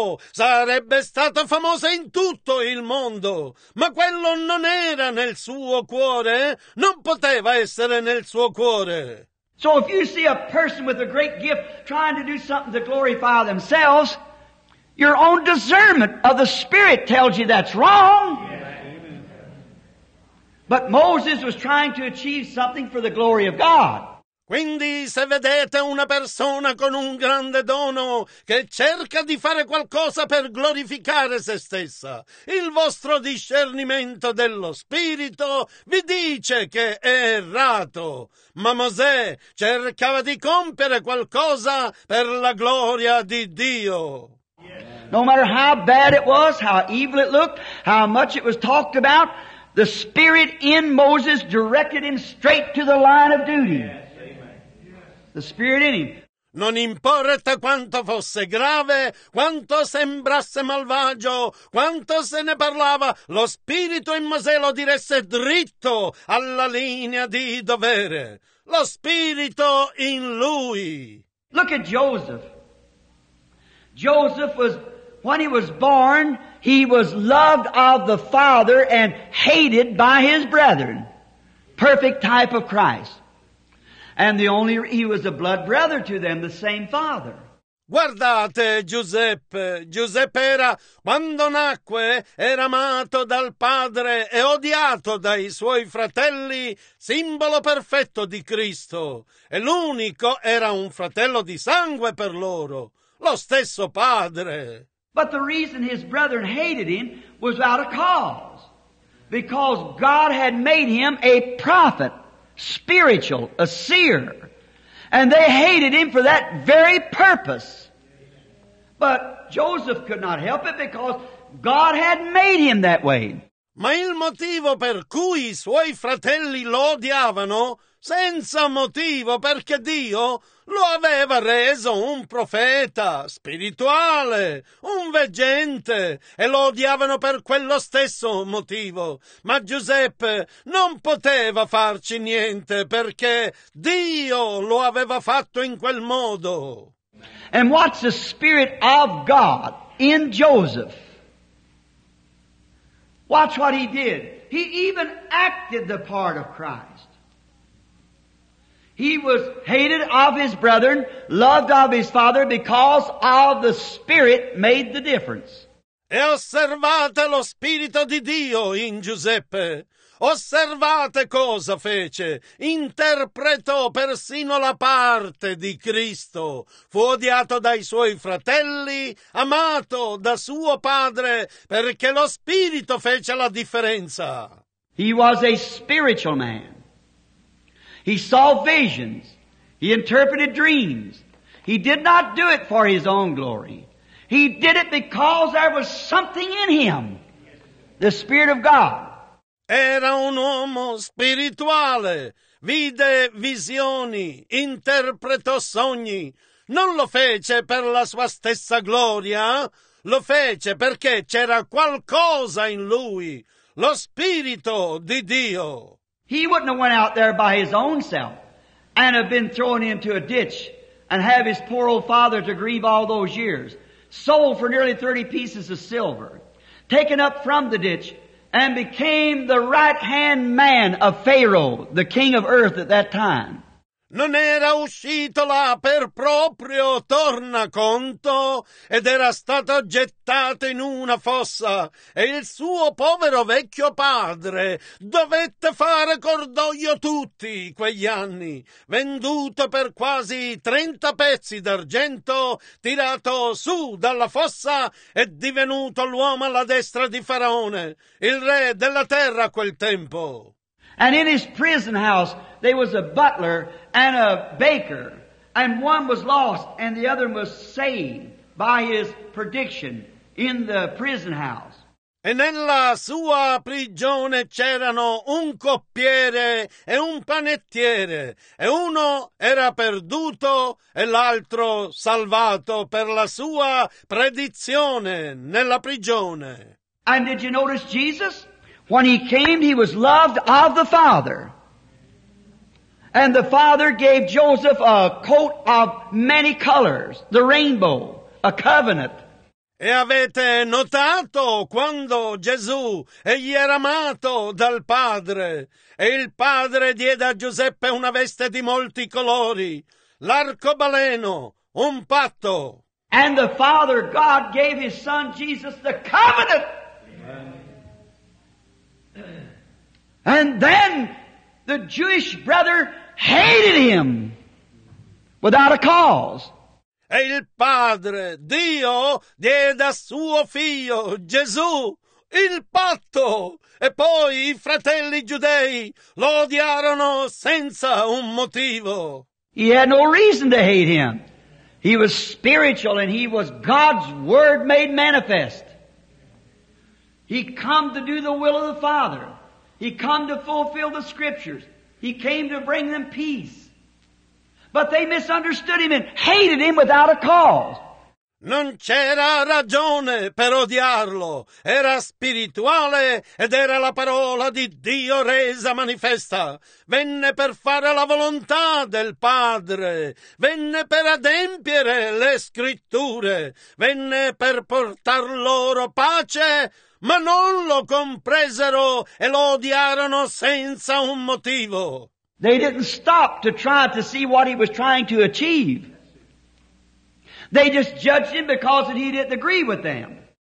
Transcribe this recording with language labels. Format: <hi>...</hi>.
<it>Sarebbe stato famoso in tutto il mondo. Ma quello non era nel suo cuore, non poteva essere nel suo cuore.</it> <en>So if you see a person with a great gift trying to do something to glorify themselves, your own discernment of the Spirit tells you that's wrong. But Moses was trying to achieve something for the glory of God.</en> <it>Quindi se vedete una persona con un grande dono che cerca di fare qualcosa per glorificare se stessa, il vostro discernimento dello Spirito vi dice che è errato. Ma Mosè cercava di compiere qualcosa per la gloria di Dio.</it> <en>No matter how bad it was, how evil it looked, how much it was talked about, the Spirit in Moses directed him straight to the line of duty. The Spirit in him.</en> <it>Non importa quanto fosse grave, quanto sembrasse malvagio, quanto se ne parlava, lo Spirito in Mosè lo diresse dritto alla linea di dovere. Lo Spirito in lui.</it> <en>Look at Joseph. Joseph was, when he was born, he was loved of the father and hated by his brethren. Perfect type of Christ. And the only, he was a blood brother to them, the same father.</en> <it>Guardate Giuseppe, Giuseppe era, quando nacque, era amato dal padre e odiato dai suoi fratelli, simbolo perfetto di Cristo, e l'unico era un fratello di sangue per loro, lo stesso padre.</it> <en>But the reason his brethren hated him was out of cause, because God had made him a prophet, spiritual, a seer. And they hated him for that very purpose. But Joseph could not help it because God had made him that way.</en> <it>Ma il motivo per cui i suoi fratelli lo odiavano, senza motivo, perché Dio lo aveva reso un profeta spirituale, un veggente, e lo odiavano per quello stesso motivo. Ma Giuseppe non poteva farci niente, perché Dio lo aveva fatto in quel modo.</it> <en>And what's the spirit of God in Joseph? Watch what he did. He even acted the part of Christ. He was hated of his brethren, loved of his father, because of the Spirit made the difference.</en> <it>E osservate lo Spirito di Dio in Giuseppe. Osservate cosa fece. Interpretò persino la parte di Cristo. Fu odiato dai suoi fratelli, amato da suo padre, perché lo Spirito fece la differenza.</it> <en>He was a spiritual man. He saw visions. He interpreted dreams. He did not do it for his own glory. He did it because there was something in him, the Spirit of God.</en> <it>Era un uomo spirituale. Vide visioni. Interpretò sogni. Non lo fece per la sua stessa gloria. Lo fece perché c'era qualcosa in lui, lo Spirito di Dio.</it> <en>He wouldn't have went out there by his own self and have been thrown into a ditch and have his poor old father to grieve all those years, sold for nearly 30 pieces of silver, taken up from the ditch and became the right-hand man of Pharaoh, the king of earth at that time.</en> <it>Non era uscito là per proprio tornaconto ed era stato gettato in una fossa e il suo povero vecchio padre dovette fare cordoglio tutti quegli anni, venduto per quasi 30 pezzi d'argento, tirato su dalla fossa e divenuto l'uomo alla destra di Faraone, il re della terra a quel tempo.</it> <en>And in his prison house there was a butler and a baker, and one was lost and the other was saved by his prediction in the prison house.</en> <it>E nella sua prigione c'erano un coppiere e un panettiere, e uno era perduto e l'altro salvato per la sua predizione nella prigione.</it> <en>And did you notice Jesus? When he came, he was loved of the Father. And the Father gave Joseph a coat of many colors, the rainbow, a covenant.</en> <it>E avete notato quando Gesù, egli era amato dal Padre, e il Padre diede a Giuseppe una veste di molti colori, l'arcobaleno, un patto.</it> <en>And the Father, God, gave his Son, Jesus, the covenant. And then the Jewish brother hated him without a cause.</en> <it>E il padre, Dio, diede a suo figlio, Gesù, il patto. E poi i fratelli giudei lo odiarono senza un motivo.</it> <en>He had no reason to hate him. He was spiritual and he was God's word made manifest. He come to do the will of the Father. He come to fulfill the scriptures. He came to bring them peace. But they misunderstood him and hated him without a cause.</en> <it>Non c'era ragione per odiarlo. Era spirituale ed era la parola di Dio resa manifesta. Venne per fare la volontà del Padre. Venne per adempiere le scritture. Venne per portar loro pace. Ma non lo compresero e lo odiarono senza un motivo.</it> <en>They didn't stop to try to see what he was trying to achieve. They just judged him because he didn't agree with them.</en>